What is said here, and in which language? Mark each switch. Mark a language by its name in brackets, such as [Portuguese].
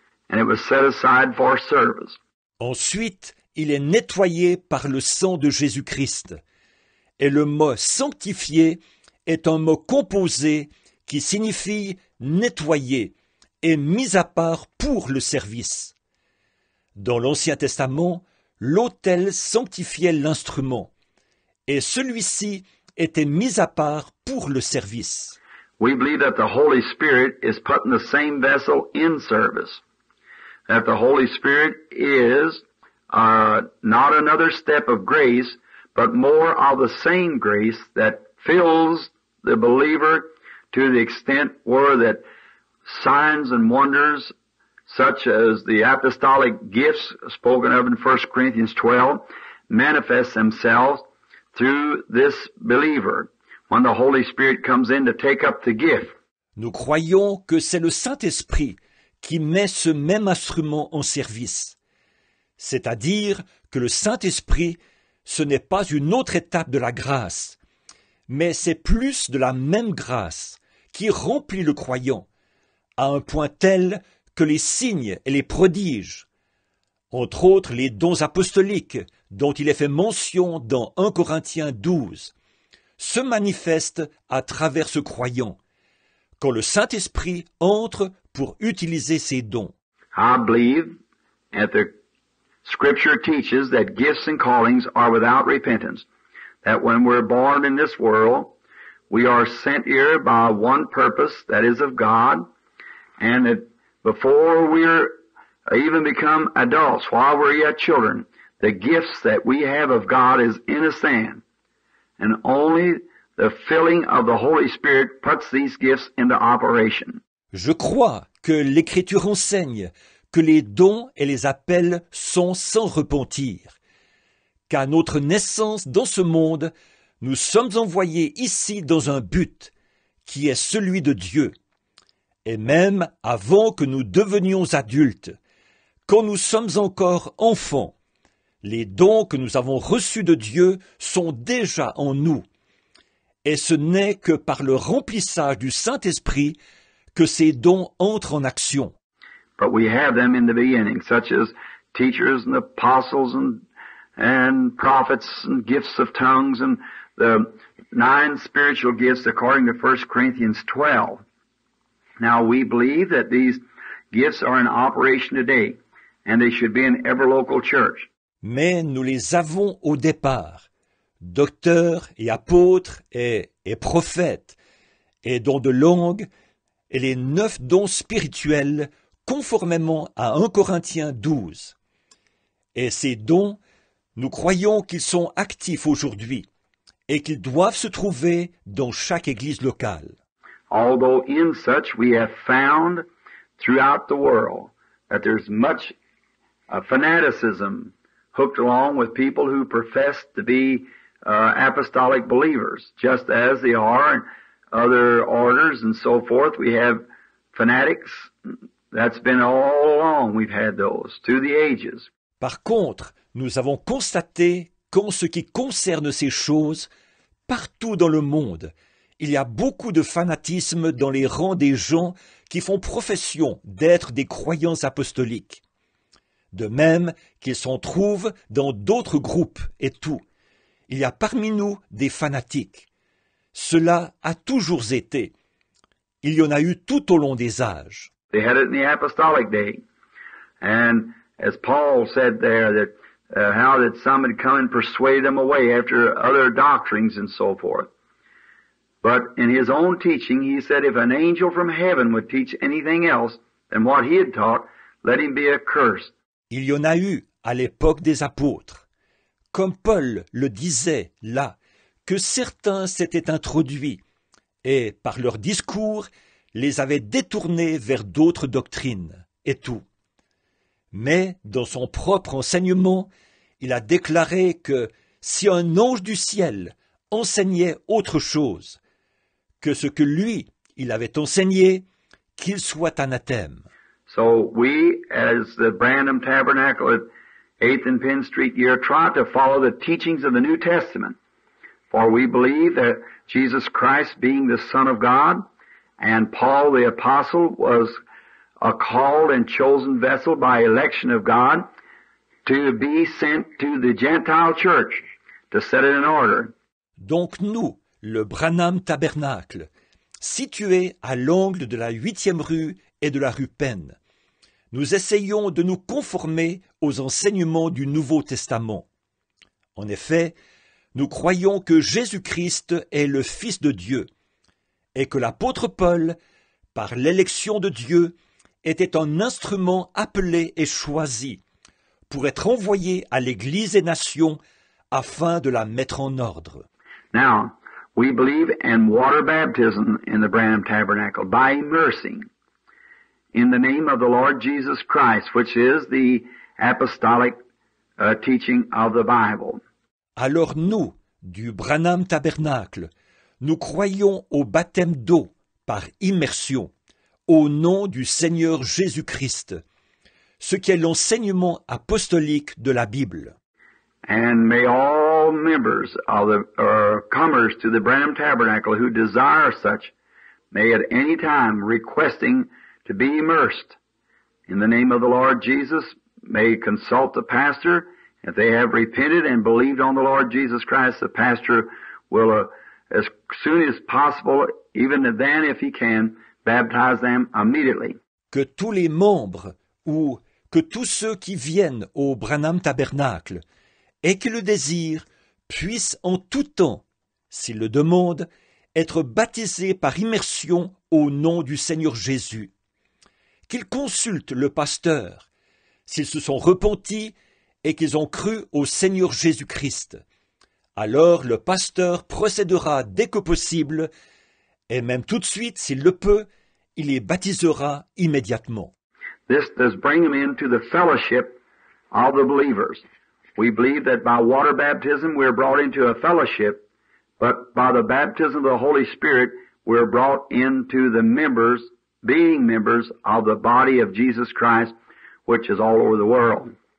[English] And it was set aside for service. [French] Ensuite, il est nettoyé par le sang de Jésus-Christ. Et le mot « sanctifié » est un mot composé qui signifie « nettoyer » et « mis à part pour le service ». Dans l'Ancien Testament, l'autel sanctifiait l'instrument. Et celui-ci était mis à part pour le service. [English] We believe that the Holy Spirit is putting the same vessel in service. That the Holy Spirit is not another step of grace, but more of the same grace that fills the believer to the extent where that signs and wonders, such as the apostolic gifts spoken of in 1 Corinthians 12, manifest themselves through this believer when the Holy Spirit comes in to take up the gift. [French] Nous croyons que c'est le Saint-Esprit qui met ce même instrument en service. C'est-à-dire que le Saint-Esprit, ce n'est pas une autre étape de la grâce, mais c'est plus de la même grâce qui remplit le croyant, à un point tel que les signes et les prodiges, entre autres les dons apostoliques dont il est fait mention dans 1 Corinthiens 12, se manifestent à travers ce croyant, quand le Saint-Esprit entre pour utiliser ses dons. [English] I believe that the Scripture teaches that gifts and callings are without repentance, that when we're born in this world, we are sent here by one purpose, that is of God, and that before we're even become adults, while we're yet children, the gifts that we have of God is in the sand, and only the filling of the Holy Spirit puts these gifts into operation. [French] Je crois que l'Écriture enseigne que les dons et les appels sont sans repentir, qu'à notre naissance dans ce monde, nous sommes envoyés ici dans un but qui est celui de Dieu. Et même avant que nous devenions adultes, quand nous sommes encore enfants, les dons que nous avons reçus de Dieu sont déjà en nous. Et ce n'est que par le remplissage du Saint-Esprit que ces dons entrent en action. [English] But we have them in the beginning, such as teachers and apostles and prophets and gifts of tongues and the nine spiritual gifts according to 1 Corinthians 12. Now we believe that these gifts are in operation today and they should be in every local church. [French] Mais nous les avons au départ, docteurs et apôtres et prophètes, et dons de langue, et les neuf dons spirituels, conformément à 1 Corinthiens 12. Et ces dons, nous croyons qu'ils sont actifs aujourd'hui, et qu'ils doivent se trouver dans chaque église locale. [English] Although in such we have found throughout the world that there's much fanaticism hooked along with people who profess to be apostolic believers, just as they are in other orders and so forth. We have fanatics. That's been all along we've had those, through the ages. [French] Par contre, nous avons constaté qu'en ce qui concerne ces choses, partout dans le monde, il y a beaucoup de fanatisme dans les rangs des gens qui font profession d'être des croyants apostoliques. De même qu'ils s'en trouvent dans d'autres groupes et tout. Il y a parmi nous des fanatiques. Cela a toujours été. Il y en a eu tout au long des âges. [English] They had it in the apostolic day. And as Paul said there, that how that some had come and persuade them away after other doctrines and so forth. But in his own teaching, he said if an angel from heaven would teach anything else than what he had taught, let him be accursed. [French] Il y en a eu à l'époque des apôtres, comme Paul le disait là, que certains s'étaient introduits et, par leur discours, les avaient détournés vers d'autres doctrines et tout. Mais, dans son propre enseignement, il a déclaré que si un ange du ciel enseignait autre chose que ce que lui, il avait enseigné, qu'il soit anathème. [English] So we, as the Branham Tabernacle at 8th and Penn Street here, try to follow the teachings of the New Testament. For we believe that Jesus Christ, being the Son of God, and Paul the Apostle, was a called and chosen vessel by election of God to be sent to the Gentile church to set it in order. [French] Donc nous, le Branham Tabernacle, situé à l'angle de la 8e rue et de la rue Penn. Nous essayons de nous conformer aux enseignements du Nouveau Testament. En effet, nous croyons que Jésus-Christ est le Fils de Dieu et que l'apôtre Paul, par l'élection de Dieu, était un instrument appelé et choisi pour être envoyé à l'Église des Nations afin de la mettre en ordre. [English] Now, we believe in water baptism in the Branham Tabernacle by immersing in the name of the Lord Jesus Christ, which is the apostolic teaching of the Bible. [French] Alors nous, du Branham Tabernacle, nous croyons au baptême d'eau par immersion, au nom du Seigneur Jésus-Christ, ce qui est l'enseignement apostolique de la Bible. [English] And may all members of the comers to the Branham Tabernacle who desire such, may at any time requesting to be immersed in the name of the Lord Jesus, may consult the pastor. If they have repented and believed on the Lord Jesus Christ, the pastor will, as soon as possible, even then if he can, baptize them immediately. [French] Que tous les membres ou que tous ceux qui viennent au Branham Tabernacle aient que le désir puissent en tout temps, s'ils le demandent, être baptisés par immersion au nom du Seigneur Jésus. Qu'ils consultent le pasteur s'ils se sont repentis et qu'ils ont cru au Seigneur Jésus-Christ. Alors le pasteur procédera dès que possible et même tout de suite, s'il le peut, il les baptisera immédiatement. [English] This does bring them into the fellowship of the believers. We believe that by water baptism we are brought into a fellowship, but by the baptism of the Holy Spirit we are brought into the members, being members of the body of Jesus Christ, which is all over the world.